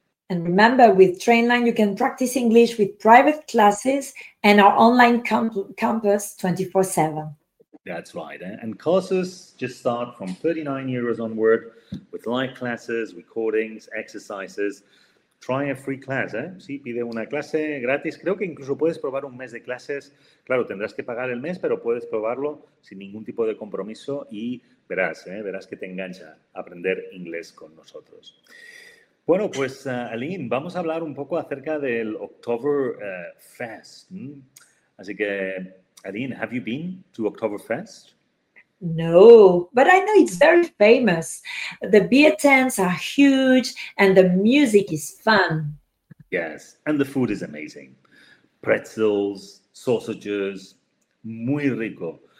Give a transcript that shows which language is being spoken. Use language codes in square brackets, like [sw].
[en] And remember, with Trainline, you can practice English with private classes and our online campus 24/7. That's right. And courses just start from 39 euros onward with live classes, recordings, exercises. Try a free class, [es] ¿eh? Sí, pide una clase gratis. Creo que incluso puedes probar un mes de clases. Claro, tendrás que pagar el mes, pero puedes probarlo sin ningún tipo de compromiso y verás, ¿eh? Verás que te engancha aprender inglés con nosotros. Bueno, pues Aline, vamos a hablar un poco acerca del Oktoberfest. Así que, [en] Aline, have you been to Oktoberfest? No, but I know it's very famous. The beer tents are huge and the music is fun. Yes, and the food is amazing. Pretzels, sausages, [es] muy rico.